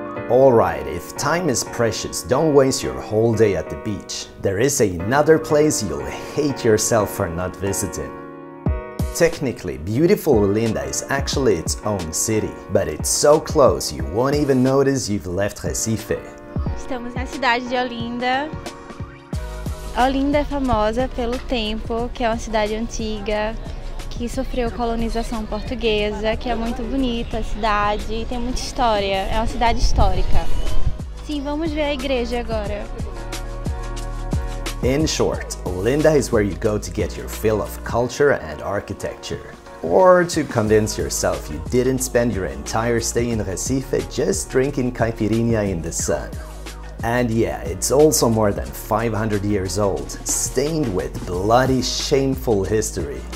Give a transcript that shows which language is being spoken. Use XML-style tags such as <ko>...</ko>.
<en>Alright, if time is precious, don't waste your whole day at the beach. There is another place you'll hate yourself for not visiting. Technically, beautiful Olinda is actually its own city, but it's so close you won't even notice you've left Recife.</en> <pt>Estamos na cidade de Olinda. Olinda é famosa pelo tempo, que é uma cidade antiga, que sofreu colonização portuguesa, que é muito bonita a cidade, tem muita história, é uma cidade histórica. Sim, vamos ver a igreja agora.</pt> <en>In short, Olinda is where you go to get your fill of culture and architecture. Or to convince yourself you didn't spend your entire stay in Recife just drinking caipirinha in the sun. And yeah, it's also more than 500 years old, stained with bloody, shameful history.</en>